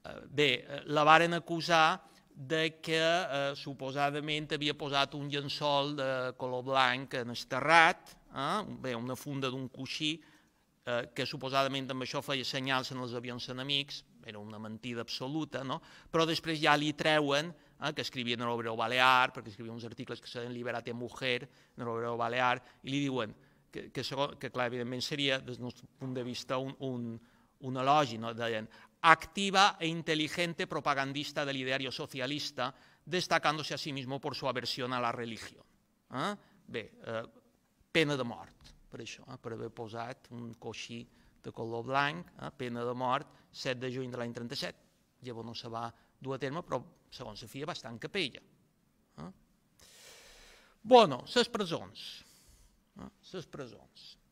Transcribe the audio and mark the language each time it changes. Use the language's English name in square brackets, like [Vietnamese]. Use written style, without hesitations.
[Catalan] Bé, la varen acusar de que suposadament havia posat un llençol de color blanc en el terrat, bé, una funda d'un coixí, que suposadament amb això feia senyals en els avions enemics, era una mentida absoluta, no? Però després ja li treuen, que escrivia en l'Obrero Balear, perquè escrivia uns articles que s'han liberat en Mujer, en l'Obrero Balear, i li diuen que clar, evidentment seria, des del nostre punt de vista, un elogi, no? [Spanish] Deien, activa e inteligente propagandista del ideario socialista, destacándose a sí mismo por su aversión a la religión. [Catalan] Bé, pena de mort, per això, per haver posat un coixí de color blanc, pena de mort, 7 de juny de l'any 37, llavors no se va dur a terme, però segons la filla va estar en capella. Bueno, les presons. Les presons.